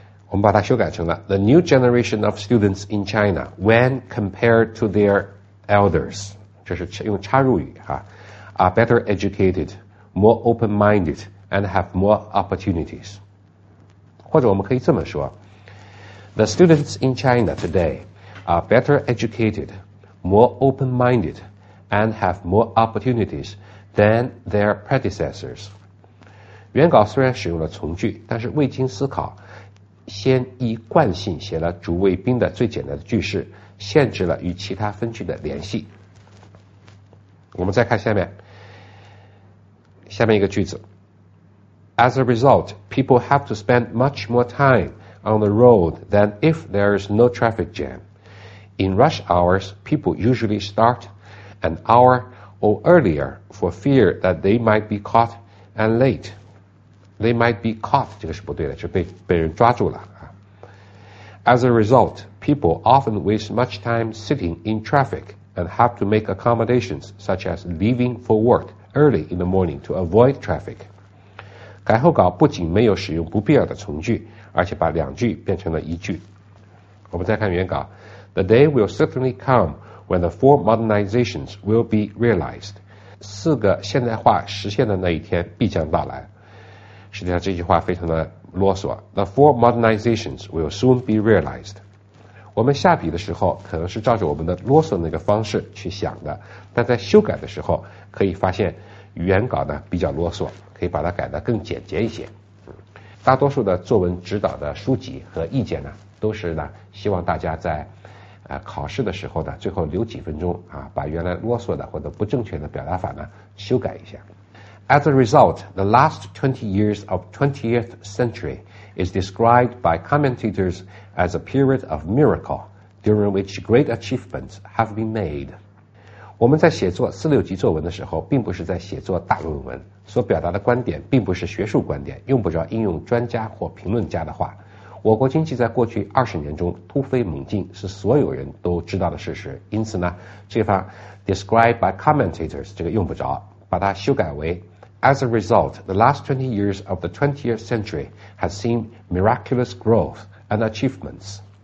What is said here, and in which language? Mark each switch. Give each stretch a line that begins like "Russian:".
Chinese: 我们把它修改成了
English: The new generation of students in China, when compared to their elders,
Chinese: 这是用插入语、
English: 啊、are better educated, more open-minded, and have more opportunities.
Chinese: 或者我们可以这么说，
English: The students in China today are better educated, more open-minded, and have more opportunities,than their predecessors.
Chinese: 原稿虽然使用了从句，但是未经思考先依惯性写了主谓宾的最简单的句式，限制了与其他分句的联系。我们再看下面，下面一个句子，
English: As a result, people have to spend much more time on the road than if there is no traffic jam. In rush hours, people usually start an houror earlier for fear that they might be caught and late. They might be caught,
Chinese: 这个是不对的，是 被人抓住了。
English: As a result, people often waste much time sitting in traffic and have to make accommodations such as leaving for work early in the morning to avoid traffic.
Chinese: 改后稿不仅没有使用不必要的从句，而且把两句变成了一句。我们再看原稿，
English: The day will certainly comeWhen the four modernizations will be realized.
Chinese: 四个现代化实现的那一天必将到来。实际上这句话非常的啰嗦。
English: The four modernizations will soon be realized.
Chinese: 我们下笔的时候可能是照着我们的啰嗦那个方式去想的，但在修改的时候可以发现原稿呢比较啰嗦，可以把它改得更简洁一些。大多数的作文指导的书籍和意见呢都是呢希望大家在考试的时候呢最后留几分钟啊，把原来啰嗦的或者不正确的表达法呢修改一下。
English: As a result, the last 20 years of 20th century is described by commentators as a period of miracle during which great achievements have been made.
Chinese: 我们在写作四六级作文的时候并不是在写作大论文，所表达的观点并不是学术观点，用不着应用专家或评论家的话。我国经济在过去20年中突飞猛进是所有人都知道的事实，因此呢这番
English: described by commentators
Chinese: 这个用不着，把它修改为
English: As a result, the last 20 years of the 20th century has seen miraculous growth and achievements.